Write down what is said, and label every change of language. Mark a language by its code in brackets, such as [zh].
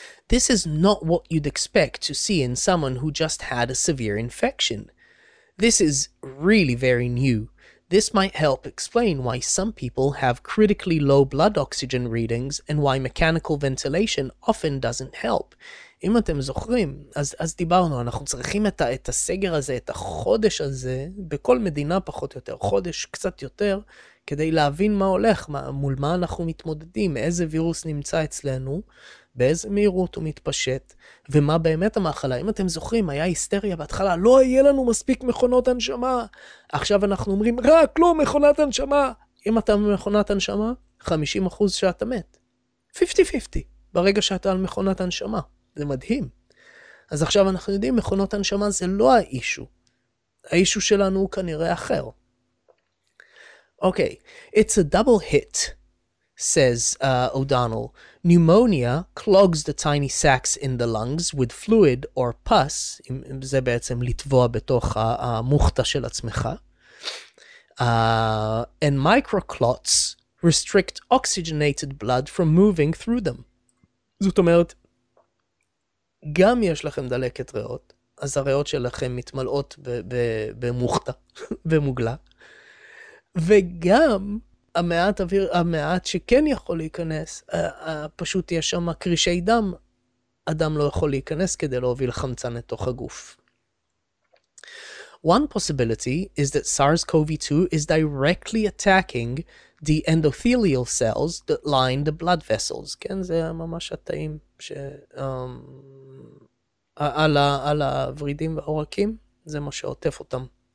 [en] This is not what you'd expect to see in someone who just had a severe infection. This is really very new. This might help explain why some people have critically low blood oxygen readings and why mechanical ventilation often doesn't help. [he] אם אתם זוכרים, אז דיברנו, אנחנו צריכים את הסגר הזה, את החודש הזה, בכל מדינה פחות או יותר, חודש קצת יותר, כדי להבין מה הולך, מול מה אנחנו מתמודדים, איזה וירוס נמצא אצלנו, באיזה מהירות הוא מתפשט, ומה באמת המחלה. אם אתם זוכרים, היה היסטריה בהתחלה, לא יהיה לנו מספיק מכונות הנשמה. עכשיו אנחנו אומרים, רק לא מכונת הנשמה. אם אתה במכונת הנשמה, 50% שאתה מת. 50-50, ברגע שאתה על מכונת הנשמה. זה מדהים. אז עכשיו אנחנו יודעים, מכונות הנשמה זה לא האישו. האישו שלנו הוא כנראה אחר. [en] Okay, it's a double hit, says O'Donnell. Pneumonia clogs the tiny sacs in the lungs with fluid or pus, [he] זה בעצם לטבוע בתוך המוכתה של עצמך. [en] And microclots restrict oxygenated blood from moving through them. [he] זאת אומרת, גם יש לכם דלקת ריאות, אז הריאות שלכם מתמלאות במוכתה, במוגלה. וגם המעט אוויר, המעט שכן יכול להיכנס, פשוט יש שם קרישי דם, אדם לא יכול להיכנס כדי להוביל חמצן לתוך הגוף. [en] One possibility is that SARS-CoV-2 is directly attacking the endothelial cells that line the blood vessels. [he] כן, זה ממש התאים ש... על הורידים והעורקים, זה מה שעוטף אותם.